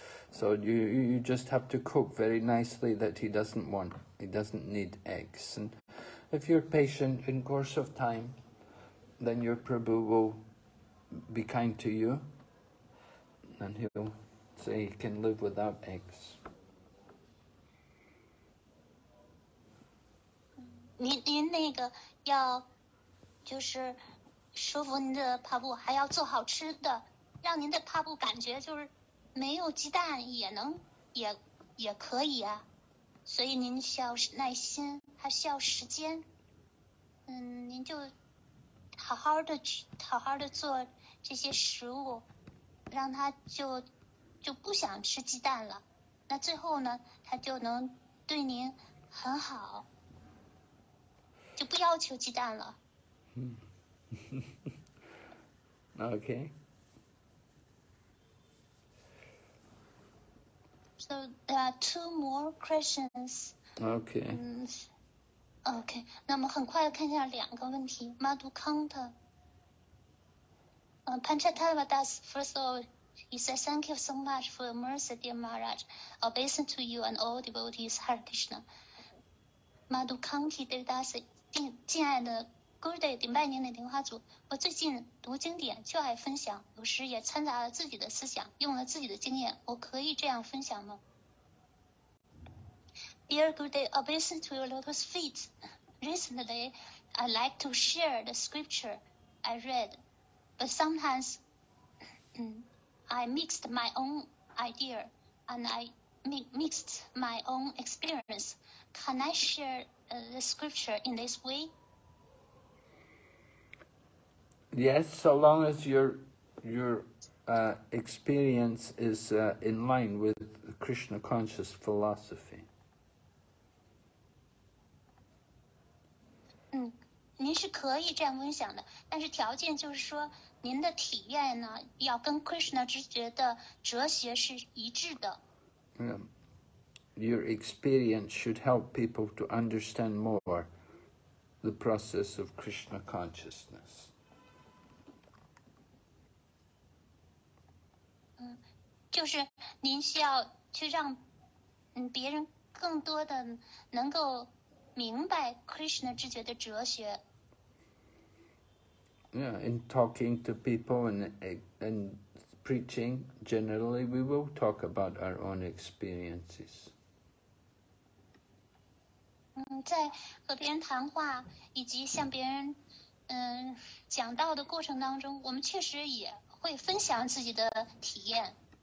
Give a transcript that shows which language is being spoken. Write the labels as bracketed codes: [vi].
[en] So you just have to cook very nicely that he doesn't need eggs. And if you're patient in course of time, then your Prabhu will be kind to you. And he'll say he can live without eggs. [zh] 您那个要就是舒服您的帕布，还要做好吃的，让您的帕布感觉就是没有鸡蛋也能也可以啊，所以您需要耐心，还需要时间。嗯，您就好好的去好好的做这些食物，让他就不想吃鸡蛋了，那最后呢他就能对您很好，就不要求鸡蛋了。 [en] OK. So there are two more questions. OK. OK. [zh] 那么很快看一下两个问题。 [en] Madhu Kanta. Panchatava Das, first of all, he says, thank you so much for your mercy, dear Maharaj. Obeisance to you and all devotees, Hare Krishna. Madhu Kanti Das. [zh] 敬爱的 Gurudev 顶拜您的莲花组，我最近读经典就爱分享，有时也掺杂了自己的思想，用了自己的经验，我可以这样分享吗？ [en] Dear Gurudev, obeisance to your lotus feet. Recently, I like to share the scripture I read, but sometimes I mixed my own idea and I mixed my own experience. Can I shareThe scripture in this way? Yes, so long as your experience is in line with Krishna conscious philosophy. [zh] 嗯，您是可以这样分享的，但是条件就是说，您的体验呢，要跟 Krishna 直觉的哲学是一致的。嗯。 [en] Your experience should help people to understand more the process of Krishna consciousness. [zh] 就是您需要去让别人更多的能够明白 Krishna 知觉的哲学。 [en] Yeah, in talking to people and preaching, generally we will talk about our own experiences. [zh] 在和别人谈话以及向别人讲道的过程当中，我们确实也会分享自己的体验。